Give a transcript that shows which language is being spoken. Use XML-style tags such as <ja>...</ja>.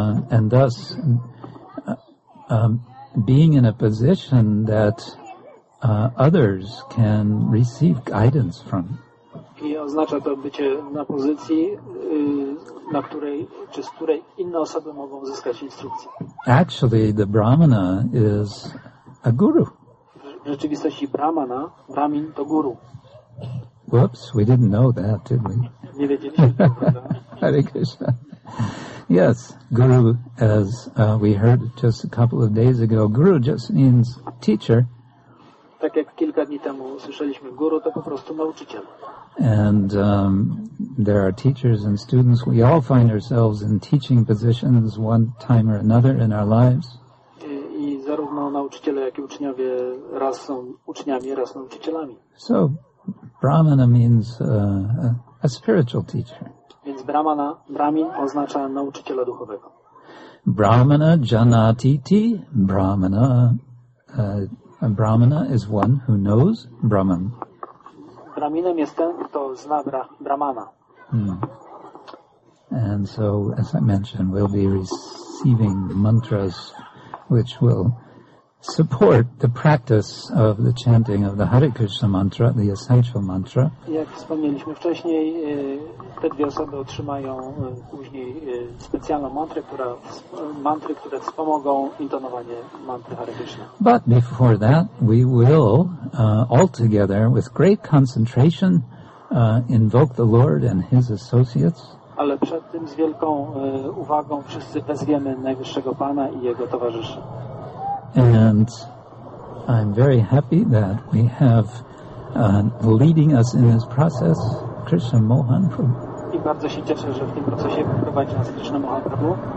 <en>And thus, being in a position that others can receive guidance from.</en> <pl>I oznacza to bycie na pozycji, na której czy z której inne osoby mogą uzyskać instrukcje.</pl> <en>Actually, the Brahmana is a guru.</en> <pl>W rzeczywistości Brahmana, Brahmin to guru.</pl> <en>Whoops, we didn't know that, did we?</en> <pl>Nie wiedzieliśmy tego.</pl> <en>Hare Krishna. Yes, guru, as we heard just a couple of days ago, guru just means teacher.</en> <pl>Tak jak kilka dni temu usłyszeliśmy, guru to po prostu nauczyciel.</pl> <en>And there are teachers and students. We all find ourselves in teaching positions one time or another in our lives.</en> <pl>I zarówno nauczyciele, jak i uczniowie raz są uczniami, raz nauczycielami.</pl> <en>So, Brahmana means a spiritual teacher.</en> <pl>Więc Brahmana, Brahmin oznacza nauczyciela duchowego.</pl> <sa>Brahmana janatiti, Brahmana.</sa> <en>A Brahmana is one who knows Brahman.</en> <pl>Brahminem jest ten, kto zna Brahmana.</pl> <en>And so, as I mentioned, we'll be receiving mantras which will support the practice of the chanting of the Hare Krishna mantra, the essential mantra.</en> <pl>Jak wspomnieliśmy wcześniej, te dwie osoby otrzymają później specjalną mantrę, które wspomogą intonowanie mantry Hare Krishna.</pl> <en>But before that, we will all together, with great concentration, invoke the Lord and His associates.</en> <pl>Ale przed tym z wielką uwagą wszyscy wezwiemy Najwyższego Pana i Jego towarzyszy.</pl> <en>And I'm very happy that we have leading us in this process, Krishna Mohan Prabhu.</en> <pl>I bardzo się cieszę, że w tym procesie prowadzi nas Krishna Mohan Prabhu.</pl>